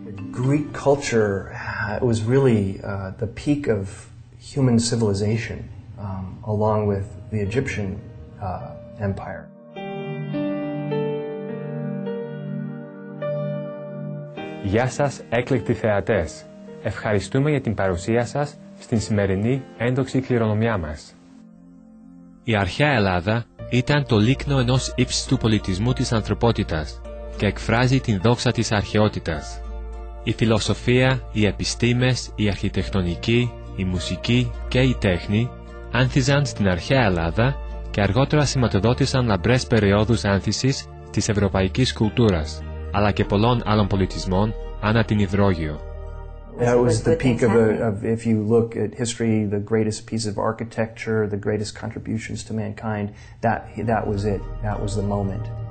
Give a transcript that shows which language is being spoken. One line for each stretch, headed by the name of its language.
English: Greek culture was really the peak of human civilization, along with the Egyptian empire.
Greek: Γεια σας, έκλεκτοι θεατές. Ευχαριστούμε για την παρουσία σας στην σημερινή ένδοξη κληρονομιά μας. Η αρχαία Ελλάδα ήταν το λίκνο ενός ύψιστου πολιτισμού της ανθρωπότητας και εκφράζει την δόξα της αρχαιότητας. Η φιλοσοφία, οι επιστήμες, η αρχιτεκτονική, η μουσική και η τέχνη άνθιζαν στην αρχαία Ελλάδα και αργότερα σηματοδότησαν λαμπρές περιόδους άνθησης της ευρωπαϊκής κουλτούρας, αλλά και πολλών άλλων πολιτισμών ανά την Ιδρώγειο.
English: That was the peak of, if you look at history, the greatest piece of architecture, the greatest contributions to mankind, that was it, that was the moment.